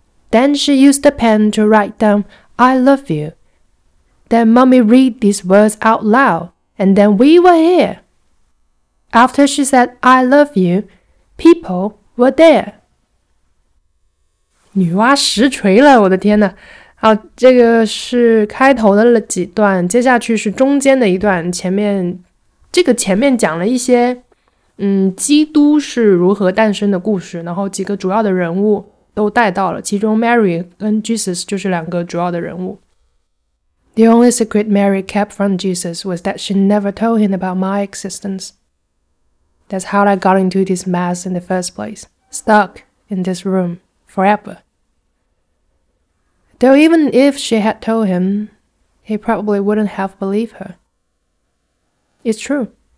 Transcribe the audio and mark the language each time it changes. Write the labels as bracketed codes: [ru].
[en] Then she used the pen to write down, I love you. Then mommy read these words out loud, and then we were here. After she said, I love you, people were there. [zh] 女娲实锤了，我的天哪。好，这个是开头的了几段，接下去是中间的一段，前面讲了一些基督是如何诞生的故事，然后几个主要的人物都带到了，其中 Mary 跟 Jesus 就是两个主要的人物。 [en] The only secret Mary kept from Jesus was that she never told him about my existence. That's how I got into this mess in the first place, stuck in this room forever. Though even if she had told him, he probably wouldn't have believed her. It's true.